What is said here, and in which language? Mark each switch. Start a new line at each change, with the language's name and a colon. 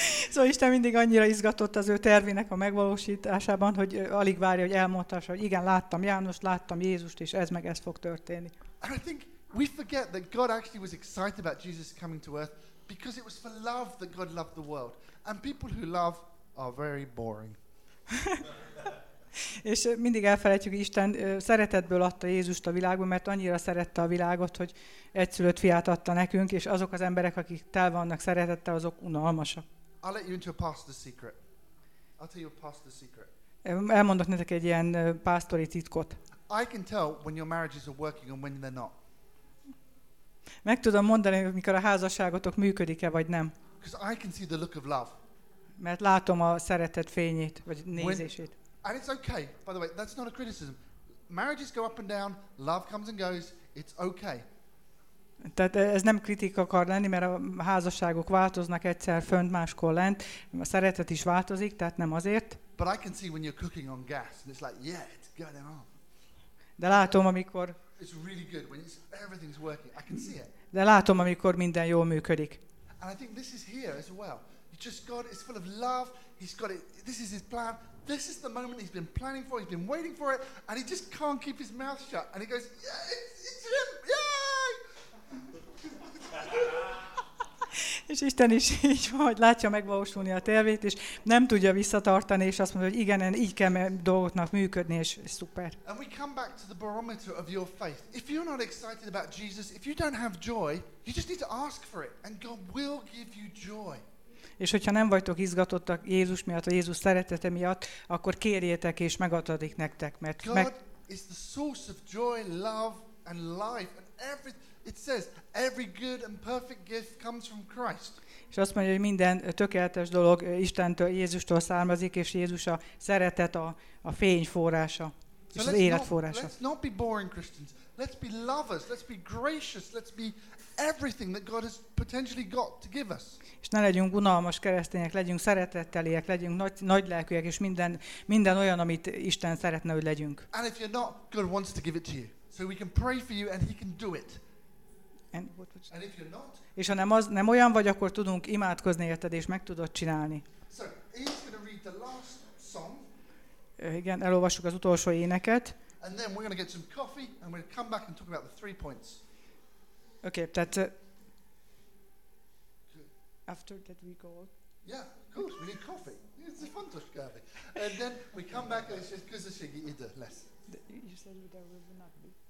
Hungarian: Szóval Isten mindig annyira izgatott az ő tervének a megvalósításában, hogy alig várja, hogy elmondhassa, hogy igen, láttam Jánost, láttam Jézust, és ez meg ez fog történni.
English: And I think we forget that God actually was excited about Jesus coming to earth because it was for love that God loved the world. And people who love are very boring.
Hungarian: És mindig elfelejtjük, hogy Isten szeretetből adta Jézust a világba, mert annyira szerette a világot, hogy egyszülött fiát adta nekünk, és azok az emberek, akik tel vannak szeretettel, azok unalmasak.
English: I'll let you into a pastor's secret. I'll tell you a pastor's secret.
Hungarian: Elmondok nektek egy ilyen pásztori titkot.
English: I can tell when your marriages are working and when they're not.
Hungarian: Meg tudom mondani, mikor a házasságotok működik-e vagy nem.
English: Because I can see the look of love.
Hungarian: Mert látom a szeretet fényét, vagy nézését.
English: And it's okay. By the way, that's not a criticism. Marriages go up and down, love comes and goes. It's okay.
Hungarian: Tehát ez nem kritika akar lenni, mert a házasságok változnak egyszer fönt, máskor lent. A szeretet is változik, tehát nem azért.
English: But I can see when you're cooking on gas and it's like, yeah, it's going on.
Hungarian: De látom, amikor
English: it's really good when everything's working. I can see it.
Hungarian: De látom, amikor minden jól működik.
English: And I think this is here as well. It's just God is full of love. He's got it. This is his plan. This is the moment he's been planning for, he's been waiting for it, and he just can't keep his mouth shut. And he goes, yeah, it's him, yay!
Hungarian: És Isten is így van, hogy látja megvalósulni a tervét, és nem tudja visszatartani, és azt mondja, hogy igen, így kell dolgoknak működni, és szuper.
English: And we come back to the barometer of your faith. If you're not excited about Jesus, if you don't have joy, you just need to ask for it, and God will give you joy.
Hungarian: És hogyha nem vagytok izgatottak Jézus miatt, a Jézus szeretete miatt, akkor kérjétek és megadatik nektek, mert
English: is the source of joy, love and life, and every it says every good and perfect gift comes from Christ.
Hungarian: És azt mondja, hogy minden tökéletes dolog Istentől, Jézustól származik, és Jézus a szeretet a fény forrása, és az élet forrása.
English: Let's not be boring Christians. Let's be lovers, let's be gracious, let's be everything that God has potentially got to give us.
Hungarian: És ne legyünk unalmas keresztények, legyünk szeretetteliek, legyünk nagylelkűek, és minden olyan, amit Isten szeretne, hogy legyünk.
English: And if you're not, God wants to give it to you. So we can pray for you and he can do it. And if you're not,
Hungarian: és ha nem olyan vagy, akkor tudunk imádkozni érted, és meg tudod csinálni.
English: So, he's going to read the last song.
Hungarian: Igen, elolvassuk az utolsó éneket.
English: And then we're going to get some coffee and we're going to come back and talk about the three points. Okay, that's after that we go. Yeah, of course, we need coffee. It's a fun to have. And then we come back and it's just because it's less. You said there will not be.